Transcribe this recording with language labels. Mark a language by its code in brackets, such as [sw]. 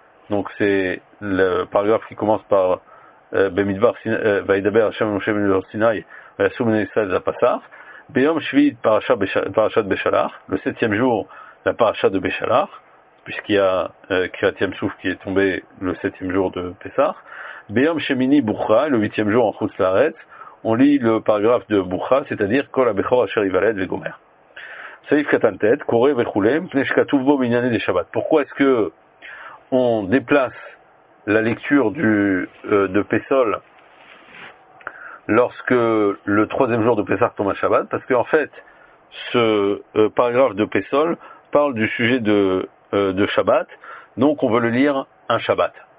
[fr] Donc c'est le paragraphe qui commence par [he] במדבר וידבר השם משה מן סיני ויעשו בני ישראל את הפסח. ביום שביעי פרשת בשלח, [fr] le septième jour la parasha de Beshalach, puisqu'il y a Kriyat Yam Suf qui est tombé le septième jour de Pessah. [he] ביום שמיני בוכרה, [fr] le huitième jour en חוץ לארץ, on lit le paragraphe de בוכרה, c'est-à-dire [he] כל הבכור אשר יוולד וגומר. סעיף קטן ט, קורא וכולי, מפני שכתוב בו בענייני דשבת. [fr] Pourquoi est-ce que on déplace la lecture de Pessol lorsque le troisième jour de Pessah tombe à Shabbat, parce qu'en fait, ce paragraphe de Pessol parle du sujet de Shabbat, donc on veut le lire un Shabbat.